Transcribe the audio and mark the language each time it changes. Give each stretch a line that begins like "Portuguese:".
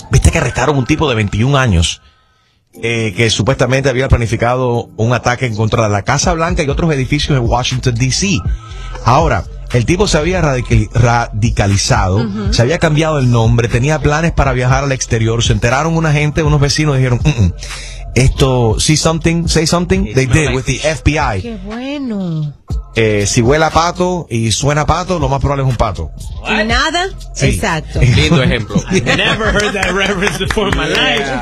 Spanish: Viste que arrestaron un tipo de 21 años que supuestamente había planificado un ataque en contra de la Casa Blanca y otros edificios en Washington, D.C. Ahora, El tipo se había radicalizado, uh-huh. se había cambiado el nombre, tenía planes para viajar al exterior. Se enteraron una gente, unos vecinos, dijeron, esto,
English: see something, say something, it's they did like with fish. The FBI.
Spanish: ¡Qué bueno! Si huele a pato y suena a pato, lo más probable es un pato. ¿Y nada? Sí. Exacto. Lindo ejemplo.
English: Never heard that reference before in my life.